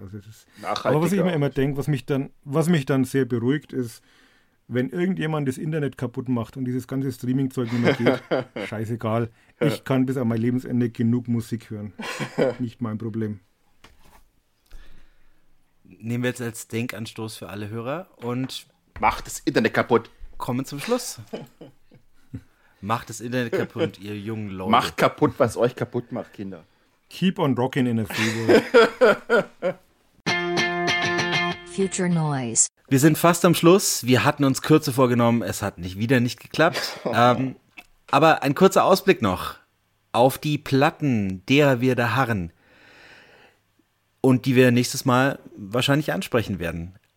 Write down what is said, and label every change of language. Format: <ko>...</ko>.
<de>Also es ist, aber was ich mir immer denke, was mich dann sehr beruhigt ist, wenn irgendjemand das Internet kaputt macht und dieses ganze Streaming-Zeug nicht mehr geht, scheißegal, ich kann bis an mein Lebensende genug Musik hören. Nicht mein Problem. Nehmen wir jetzt als Denkanstoß für alle Hörer und... Mach das Internet kaputt. Kommen zum Schluss. Macht das Internet kaputt, ihr jungen Leute. Macht kaputt, was euch kaputt macht, Kinder.</de> <en>Keep on rocking in a free world. Future Noise.</en> <de>Wir sind fast am Schluss. Wir hatten uns Kürze vorgenommen. Es hat nicht geklappt. Aber ein kurzer Ausblick noch auf die Platten, derer wir da harren und die wir nächstes Mal wahrscheinlich ansprechen werden.</de>